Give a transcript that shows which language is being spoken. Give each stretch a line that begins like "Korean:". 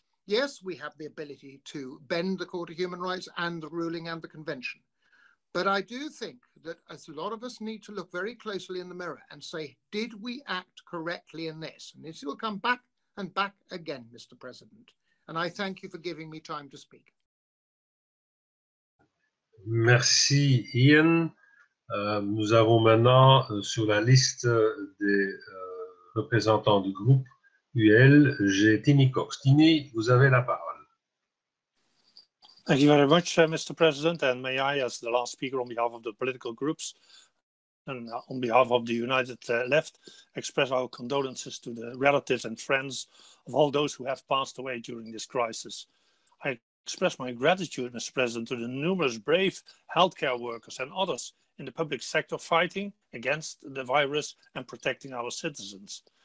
English: Yes, we have the ability to bend the Court of Human Rights and the ruling and the convention. But I do think that as a lot of us need to look very closely in the mirror and say, did we act correctly in this? And this will come back and back again, Mr. President. And I thank you for giving me time to speak.
French: Merci, Ian. Nous avons maintenant sur la liste des représentants du groupe UL, j'ai Tini Cox. Tini, vous avez la parole.
English: Thank you very much, Mr. President, and may I, as the last speaker on behalf of the political groups and on behalf of the United Left, express our condolences to the relatives and friends of all those who have passed away during this crisis. I express my gratitude, Mr. President, to the numerous brave healthcare workers and others in the public sector fighting against the virus and protecting our citizens.